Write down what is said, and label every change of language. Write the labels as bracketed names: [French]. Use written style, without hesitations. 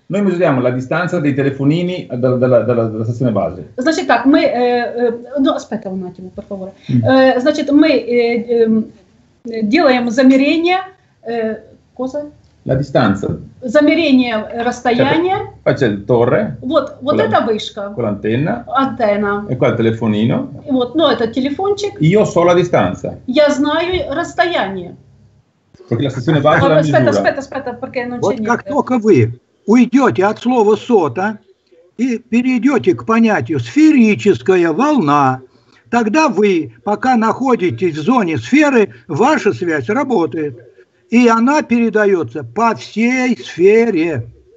[Italian] Noi misuriamo la distanza dei telefonini dalla stazione base. [Russian] Значит так, мы... ну, [Italian] aspetta un attimo, per favore. [Russian] Значит, мы делаем замерение... [Italian] cosa? La distanza. [Russian] Замерение расстояния. [Italian] Faccio la torre. [Russian] Вот эта вышка. [Italian] Con l'antenna. Antenna. E qua il telefonino. [Russian] Вот, ну, это телефончик. [Italian] Io so la distanza. [Russian] Я знаю расстояние. [Italian] Perché la stazione base la misura. Aspetta, perché non c'è niente. [Russian] Вот как только вы... Уйдете от слова «сота» и перейдете к понятию «сферическая волна», тогда вы, пока находитесь в зоне сферы, ваша связь работает, и она передается по всей сфере.